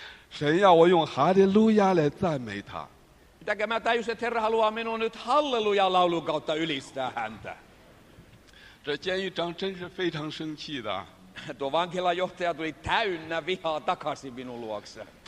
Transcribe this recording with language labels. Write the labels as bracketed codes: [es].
[zh] 神要我用哈利路亚来赞美他. [fi] Mitäkä mä tajusin, että Herra haluaa minua nyt halleluja laulun kautta ylistää häntä. [zh] 这监狱长真是非常生气的. [fi] Tuo vankilajohtaja tuli täynnä vihaa takaisin minun luokse.